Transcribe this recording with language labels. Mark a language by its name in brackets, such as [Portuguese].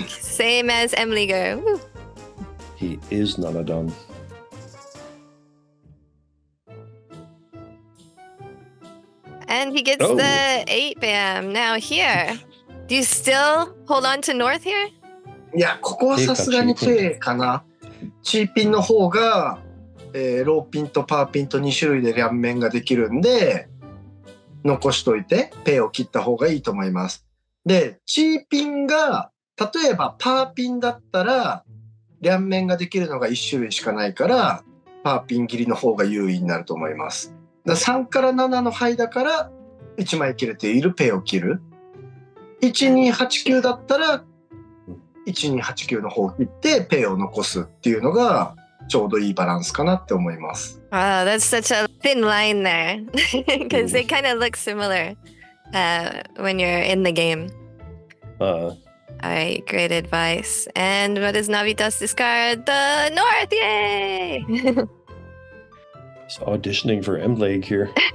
[English] Same as Emligo. He is Nanadon. And he gets the 8 bam. Now here, do you still hold on to North here? [Japanese] Yeah, ここはさすがに軽かな。チーピンの方が、ローピンとパーピンと2種類で両面ができるんで、残しといてペイを切った方がいいと思います。で、チーピンが例えばパーピンだったら両面ができるのが1種類しかないから、パーピン切りの方が優位になると思います。だから3から7の牌だから1枚切れているペイを切る。 1289だったら1289の方を切ってペイを残すっていうのがちょうどいいバランスかなって思います。 [English] Wow, that's such a thin line there. Because they kind of look similar、when you're in the game. All right, great advice. And what does Navitas discard? The North, yay! He's auditioning for M-Leg here.